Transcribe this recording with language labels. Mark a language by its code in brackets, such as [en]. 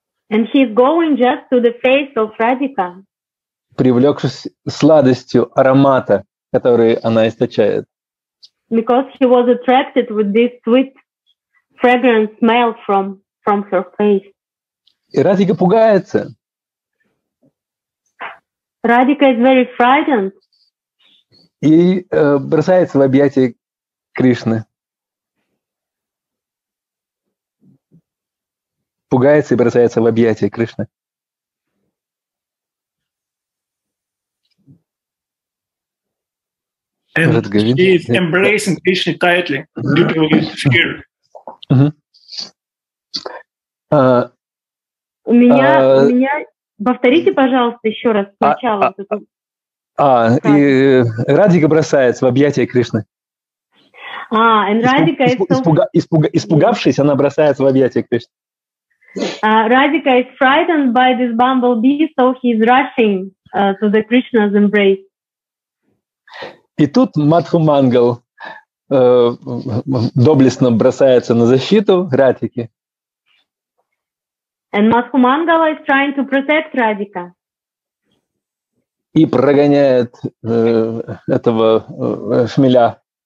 [en] And he's going just to the face of Radhika. [ru] Привлекшись сладостью аромата, который она источает. [en] Because he was attracted with this sweet fragrant smell from her face. [ru] И Радхика пугается. [en] Radhika is very frightened. [ru] И бросается в объятия Кришны. Пугается и бросается в объятия Кришны. [en] And she is embracing Krishna tightly due to his fear. [ru] У меня... Повторите, пожалуйста, еще раз сначала. И Радхика бросается в объятия Кришны. Испугавшись, она бросается в объятия Кришны. [en] Radhika is frightened by this bumblebee, so he's rushing to the Krishna's embrace. [ru] И тут Мадху Мангал доблестно бросается на защиту Радхики. [en] And Madhu Mangala is trying to protect Radhika. [ru] И прогоняет этого шмеля.